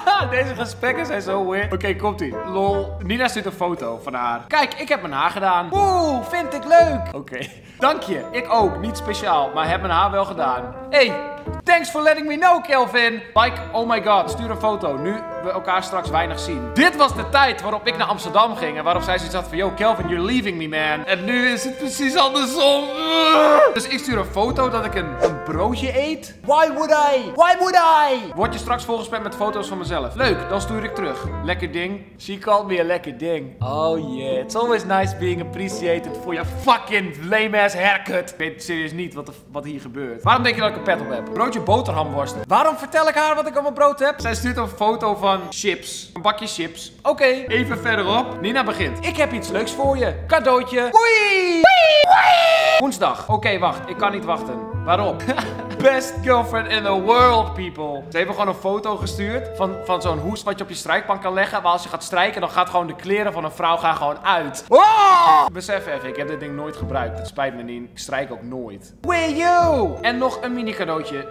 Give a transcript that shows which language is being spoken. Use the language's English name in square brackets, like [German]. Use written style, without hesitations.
[Dutch] Deze gesprekken zijn zo weird. Oké, okay, komt-ie. Lol. Nina zit een foto van haar. Kijk, ik heb mijn haar gedaan. Oeh, vind ik leuk. Oké. Okay. Dank je. Ik ook. Niet speciaal, maar... Ik heb mijn haar wel gedaan. [English] Hey, thanks for letting me know, Kelvin. Like, oh my god, [Dutch] stuur een foto. Nu we elkaar straks weinig zien. Dit was de tijd waarop ik naar Amsterdam ging. En waarop zij zoiets had van, [English] yo, Kelvin, you're leaving me, man. [Dutch] En nu is het precies andersom. Dus ik stuur een foto dat ik een broodje eet. [English] Why would I? Why would I? [Dutch] Word je straks volgespamd met foto's van mezelf. Leuk, dan stuur ik terug. Lekker ding. [English] She called me a [Dutch] lekker ding. [English] Oh yeah, it's always nice being appreciated for your fucking lame-ass haircut. [Dutch] Ik weet serieus niet wat hier gebeurt. Waarom denk je dat ik een pet op heb? Broodje boterhamworsten. Waarom vertel ik haar wat ik op mijn brood heb? Zij stuurt een foto van chips. Een bakje chips. Oké. Okay. Even verderop. Nina begint. Ik heb iets leuks voor je. Cadeautje. Oei! Oei! Woensdag. Oké, wacht. Ik kan niet wachten. Waarom? [English] Best girlfriend in the world, people. [Dutch] Ze hebben gewoon een foto gestuurd van zo'n hoes wat je op je strijkbank kan leggen. Maar als je gaat strijken, dan gaat gewoon de kleren van een vrouw gaan gewoon uit. Oh! Besef even, ik heb dit ding nooit gebruikt. Het spijt me niet. Ik strijk ook nooit. Wee you! En nog een mini cadeautje.